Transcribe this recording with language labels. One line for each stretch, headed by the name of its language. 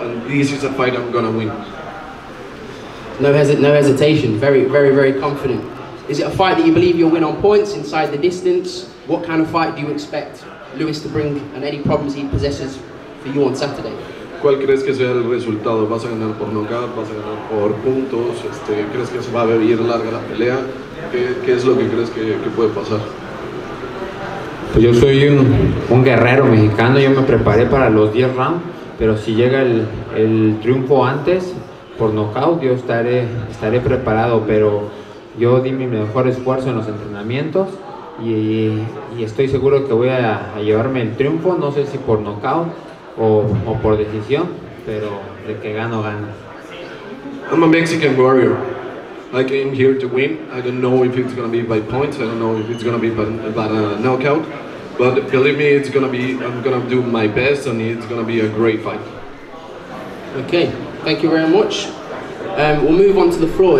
English: And this is a fight I'm gonna win. No hesitation. Very, very, very confident. Is it a fight that you believe you'll win on points inside the distance? What kind of fight do you expect Lewis to bring, and any problems he possesses for you on Saturday?
Spanish: ¿Cuál crees que sea el resultado? ¿Vas a ganar por knockout? ¿Vas a ganar por puntos? ¿Crees que se va a vivir larga la pelea? ¿Qué es lo que crees que puede pasar? Pues yo soy un guerrero mexicano, yo me preparé para los 10 rounds, pero si llega el triunfo antes, por knockout, yo estaré preparado, pero yo di mi mejor esfuerzo en los entrenamientos y estoy seguro que voy a llevarme el triunfo, no sé si por knockout o por decisión, pero de que gano, gano.
English: I'm a Mexican warrior. I came here to win. I don't know if it's going to be by points, I don't know if it's going to be by a knockout, but believe me, it's going to be, I'm going to do my best and it's going to be a great fight. Okay. Thank you very much. We'll move on to the floor.